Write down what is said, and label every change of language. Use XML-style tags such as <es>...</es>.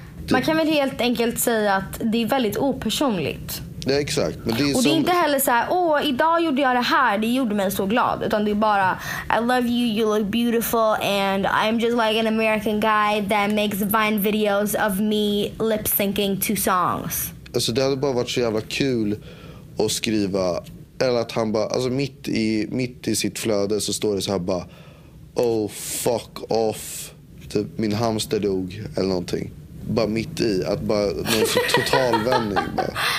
<sv>Man kan väl helt enkelt säga att det är väldigt opersonligt. Ja, exakt. Men det är och det är inte heller så här "Åh, idag gjorde jag det här, det gjorde mig så glad." Utan det är bara</sv> <en>"I love you, you look beautiful, and I'm just like an American guy that makes Vine videos of me lip-syncing to songs."</en> <sv>Alltså det hade bara varit så jävla kul att skriva. Eller att han bara, alltså mitt i sitt flöde så står det så här bara</sv> <en>"Oh, fuck off,</en> <sv>typ, min hamster dog" eller någonting. Bara mitt i, att bara någon sån total vändning bara.</sv>